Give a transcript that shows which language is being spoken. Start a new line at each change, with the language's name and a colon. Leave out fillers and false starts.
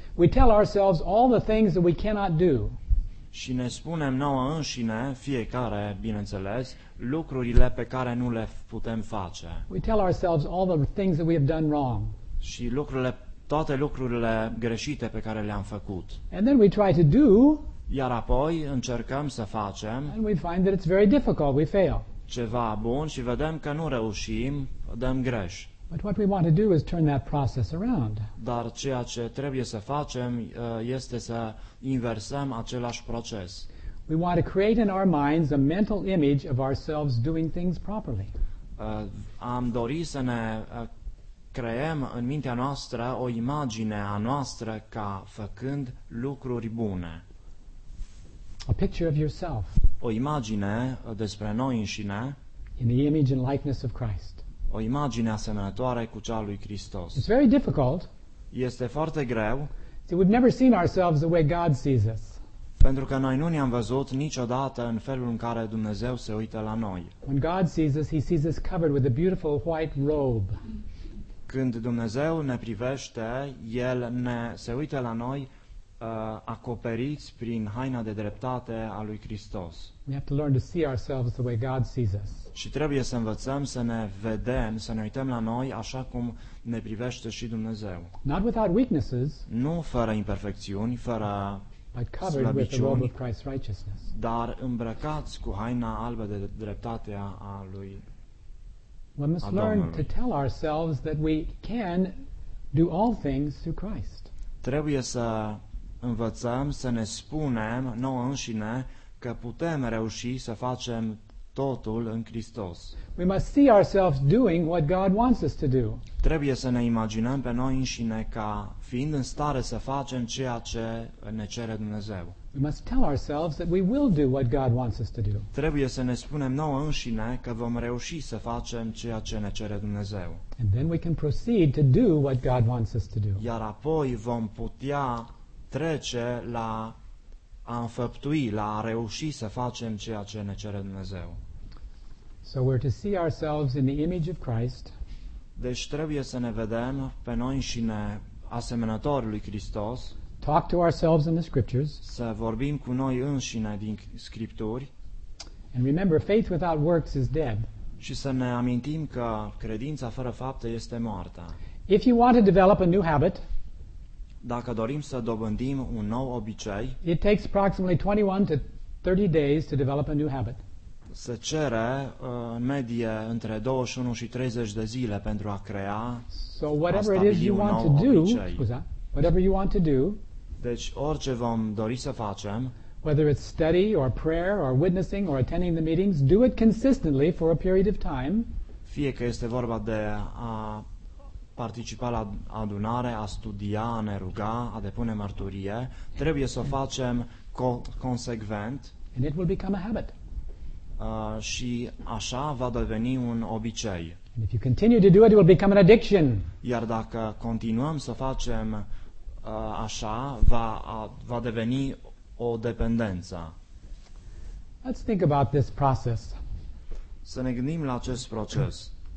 English: We tell ourselves all the things that we cannot do.
Romanian: Și ne spunem nouă înșine, fiecare, bineînțeles, lucrurile pe care nu le putem face.
English: We tell ourselves all the things that we have done wrong.
Romanian: Și lucrurile, toate lucrurile greșite pe care le-am făcut.
English: And then we try to do.
Romanian: Iar apoi încercăm să facem.
English: And we find that it's very difficult. We fail.
Romanian: Ceva bun și vedem că nu reușim, dăm greș.
English: But what we want to do is turn that process around.
Romanian: Dar ceea ce trebuie să facem este să inversăm același proces.
English: We want to create in our minds a mental image of ourselves doing things properly.
Romanian: Am dorit să ne creăm în mintea noastră o imagine a noastră ca făcând lucruri bune.
English: A picture of yourself.
Romanian: O imagine despre noi înșine.
English: In the image and likeness of Christ.
Romanian: O imagine asemănătoare cu cea lui Hristos.
English: It's very difficult.
Romanian: Este foarte greu.
English: See, we've never seen ourselves the way God sees us.
Romanian: Pentru că noi nu ne-am văzut niciodată în felul în care Dumnezeu se uită la noi.
English: When God sees us, he sees us covered with a beautiful white robe.
Romanian: Când Dumnezeu ne privește, el se uită la noi acoperiți prin haina de dreptate a lui Hristos.
English: We have to learn to see ourselves the way God sees us.
Romanian: Și trebuie să învățăm să ne vedem, să ne uităm la noi așa cum ne privește și Dumnezeu.
English: Not without weaknesses.
Romanian: Nu fără imperfecțiuni, fără
English: but covered with the robe of Christ's righteousness.
Romanian: Dar îmbrăcați cu haina albă de dreptate a lui.
English: We must learn to tell ourselves that we can do all things through Christ.
Romanian: Trebuie să învățăm să ne spunem nouă înșine că putem reuși să facem totul în Hristos.
English: We must see ourselves doing what God wants us to do.
Romanian: Trebuie să ne imaginăm pe noi înșine ca fiind în stare să facem ceea ce ne cere Dumnezeu.
English: We must tell ourselves that we will do what God wants us to do.
Romanian: Trebuie să ne spunem nouă înșine că vom reuși să facem ceea ce ne cere Dumnezeu.
English: And then we can proceed to do what God wants us to do.
Romanian: Iar apoi vom putea trece la a înfăptui, la a reuși să facem ceea ce ne cere Dumnezeu.
English: So we're to see ourselves in the image of Christ.
Romanian: Deci trebuie să ne vedem pe noi înșine asemănători lui Hristos.
English: Talk to ourselves in the scriptures.
Romanian: Să vorbim cu noi înșine din scripturi.
English: And remember, faith without works is dead.
Romanian: Și să ne amintim că credința fără fapte este moartă.
English: If you want to develop a new habit,
Romanian: dacă dorim să dobândim un nou obicei,
English: it takes approximately 21 to 30 days to develop a new habit.
Romanian: Se cere în medie între 21 și 30 de zile pentru a crea.
English: So whatever it is you want to do, whatever you want to do,
Romanian: deci orice vom dori să facem,
English: whether it's study or prayer or witnessing or attending the meetings, do it consistently for a period of time.
Romanian: Fie că este vorba de a participa la adunare, a studia, a ne ruga, a depune mărturie, trebuie să o facem consecvent.
English: And it will become a habit.
Romanian: Și așa va deveni un obicei.
English: And if you continue to do it, it will become an addiction.
Romanian: Iar dacă continuăm să facem așa, va deveni o dependență.
English: Let's think about this process.
Romanian: Să ne gândim la acest proces.